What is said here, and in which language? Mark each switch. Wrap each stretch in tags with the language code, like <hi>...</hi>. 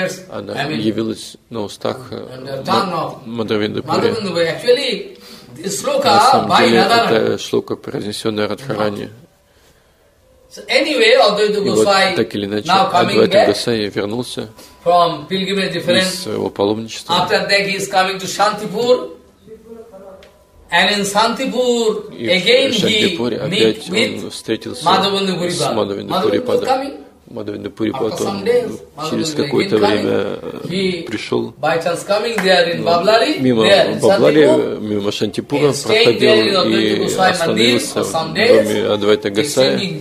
<ru>Она явилась на устах Мадхавендра Пури. На самом деле, это шлока, произнесенная Радхарани.</ru> <en>So anyway, Advaita Gosai,</en> <ru>вот, так или иначе, Адвайта Гасай вернулся</ru> <en>from pilgrimage</en> <ru>из своего паломничества.</ru> <en>After that he is coming to Shantipur, and in Shantipur again Shantipur, he meets</en> <ru>Мадхавендра Пурипада. Мадхавендра Пурипад через какое-то время пришел. Мимо Баблари, мимо Шантипура проходил и остановился в доме Адвайта Гасая.</ru>